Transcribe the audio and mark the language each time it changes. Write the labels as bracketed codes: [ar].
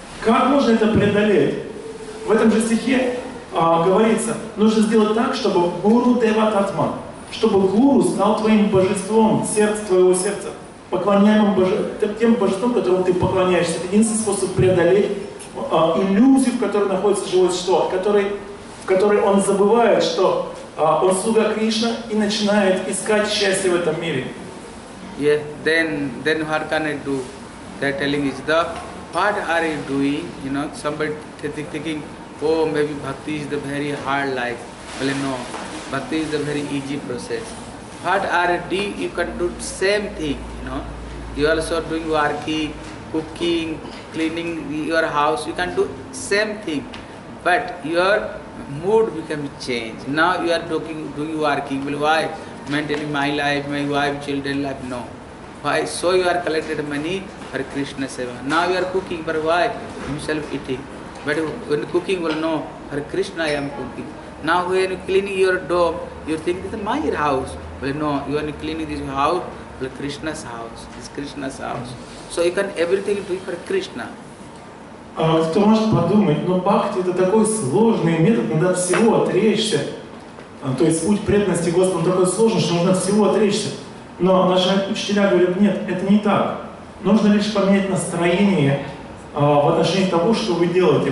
[ru] Как можно это преодолеть? В этом же стихе говорится, нужно сделать так, чтобы Гуру Девататма, чтобы Гуру стал твоим божеством, сердце твоего сердца, поклоняемым тем божеством, которым ты поклоняешься. Это единственный способ преодолеть иллюзию, в которой находится живое существо, в которой он забывает, что он слуга Кришна и начинает искать счастье в этом мире. [en] Yeah, then what can I do? They're telling is the what are you doing? You know, somebody thinking, oh, maybe bhakti is the very hard life. Well, no, bhakti is the very easy process. What are you doing? You can do the same thing, you know. You also doing working, cooking, cleaning your house. You can do same thing, but your mood becomes changed. Now you are doing working. Well, why? Maintaining my life, my wife, children life, no. Why? So you are collected money for Krishna seva. Now you are cooking, but why? Himself eating. But when cooking, well, no, for Krishna I am cooking. Now when you are cleaning your dome, you think this is my house. Well, no, you are cleaning this house, well, Krishna's house. This is Krishna's house. So you can everything do for Krishna. [ru] Кто может подумать, но бхакти это такой сложный метод, надо от всего отречься. То есть путь преданности Господу такой сложный, что нужно от всего отречься. Но наши учителя говорят, нет, это не так. Нужно лишь поменять настроение в отношении того, что вы делаете.